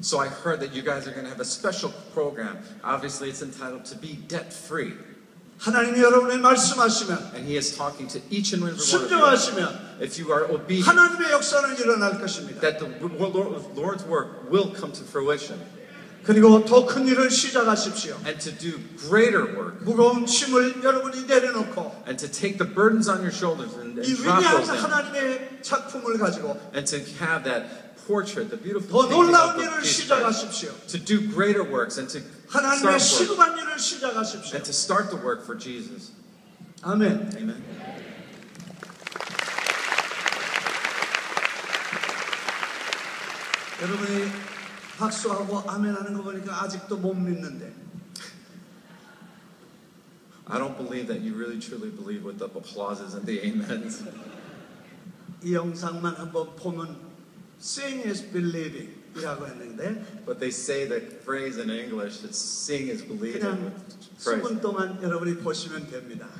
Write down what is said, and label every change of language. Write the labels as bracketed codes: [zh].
[en] So I heard that you guys are going to have a special program. Obviously, it's entitled to be debt-free. [ko] 하나님이 여러분에 말씀하시면, [en] and He is talking to each and every one of you. [ko] 순종하시면, [en] if you are obedient, [ko] 하나님의 역사는 일어날 것입니다. [en] That the Lord's work will come to fruition. [ko] 그리고 더 큰 일을 시작하십시오. [en] And to do greater work. [ko] 무거운 짐을 여러분이 내려놓고. [en] And to take the burdens on your shoulders and drop [ko] those. 이 위대한 하나님의 작품을 가지고. [en] And to have that portrait, the beautiful. [ko] 더 놀라운 일을 시작하십시오. [en] To do greater works and to start work. [ko] 하나님의 시급한 일을 시작하십시오. [en] And to start the work for Jesus. [ko] 아멘. [en] Amen. [ko] 여러분이. 박수하고 아멘하는 거 보니까 아직도 못 믿는데. [en] I don't believe that you really truly believe with the applauses and the amens. [ko] 이 영상만 한번 보면 [en] seeing is believing. [ko] 이라고 했는데 [en] but they say the phrase in English that seeing is believing. [ko] 10분 동안 여러분이 보시면 됩니다.